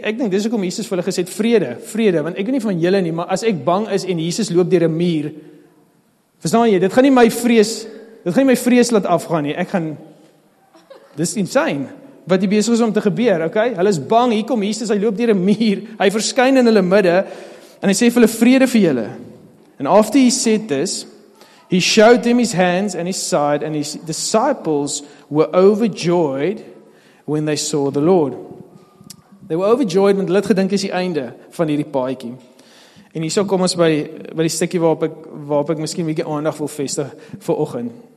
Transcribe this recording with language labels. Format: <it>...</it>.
<af>Ek dink dis hoekom Jesus vir hulle gesê het vrede, vrede, want ek weet nie van julle nie, maar as ek bang is en Jesus loop deur 'n muur, verstaan jy, dit gaan nie my vrees laat afgaan nie. Ek gaan dis insane wat die besig is om te gebeur, okay? Hulle is bang, hier kom Jesus, hy loop deur 'n muur, hy verskyn in hulle midde en hy sê vir hulle vrede vir julle.</af> <en>And after he said this, he showed them his hands and his side and his disciples were overjoyed when they saw the Lord. They were overjoyed,</en> <af>want hulle het gedink is die einde van hierdie paadjie. En hierso kom ons by die stukkie waarop ek miskien 'n bietjie aandag wil vestig vir oggend.</af>